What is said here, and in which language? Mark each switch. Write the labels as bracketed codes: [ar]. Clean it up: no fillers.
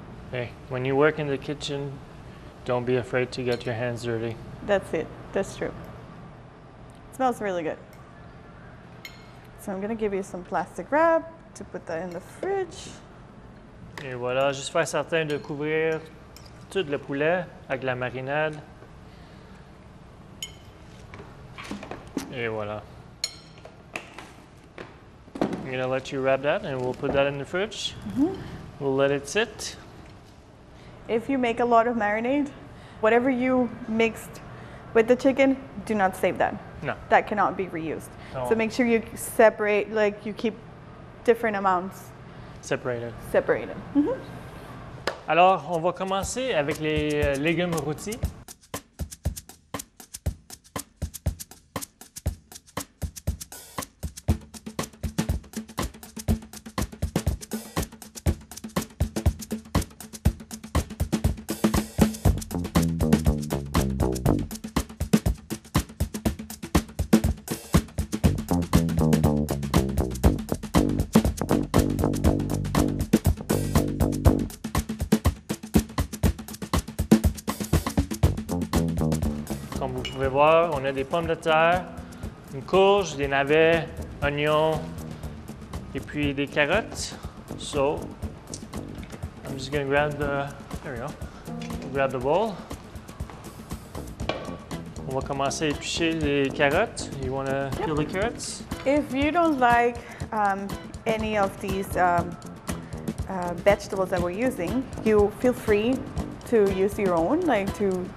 [en] Hey, when you work in the kitchen, don't be afraid to get your hands dirty. That's it. That's true. It smells really good. So I'm gonna give you some plastic wrap to put that in the fridge. [fr] Et voilà, juste faire certain de couvrir tout le poulet avec la marinade. Et voilà. [en] I'm gonna let you wrap that and we'll put that in the fridge. Mm-hmm. We'll let it sit. If you make a lot of marinade, whatever you mixed with the chicken, do not save that. No. That cannot be reused. No. So make sure you separate, like you keep different amounts. Separated. Mm-hmm. [fr] Alors, on va commencer avec les légumes rôtis. On a des pommes de terre, une courge, des navets, oignons, et puis des carottes. [en] So, I'm just gonna grab the, there we go, grab the bowl. [fr] On va commencer à éplucher les carottes. [en] You wanna peel the carrots? If you don't like any of these vegetables that we're using, you feel free to use your own, like to...